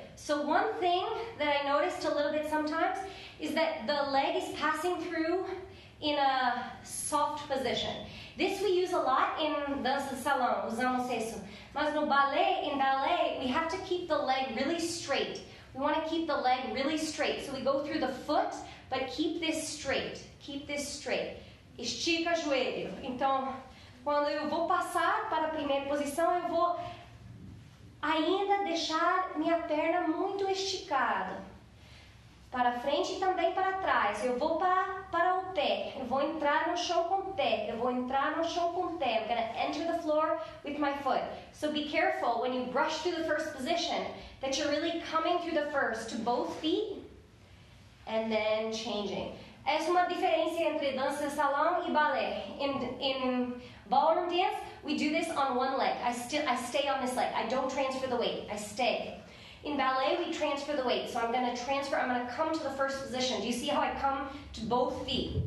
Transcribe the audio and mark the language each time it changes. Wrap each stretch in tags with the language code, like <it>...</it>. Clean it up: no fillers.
<en>So one thing that I noticed a little bit sometimes is that the leg is passing through in a soft position. This we use a lot in the salon,</en> <es>usamos eso.</es> <pt>Mas no ballet,</pt> <en>in ballet, we have to keep the leg really straight. We want to keep the leg really straight. So we go through the foot, but keep this straight. Keep this straight.</en> <pt>Estica o joelho. Então, quando eu vou passar para a primeira posição, eu vou ainda deixar minha perna muito esticada. Para frente e também para trás. Eu vou para o pé. Eu vou entrar no chão com o pé. Eu vou entrar no chão com o pé.</pt> <en>I'm going to enter the floor with my foot. So be careful when you brush through the first position that you're really coming through the first to both feet and then changing.</en> <pt>Essa é uma diferença entre dança de salão e ballet.</pt> <en>In ballroom dance, we do this on one leg. I stay on this leg. I don't transfer the weight. I stay. In ballet, we transfer the weight. So I'm going to transfer. I'm going to come to the first position. Do you see how I come to both feet?</en>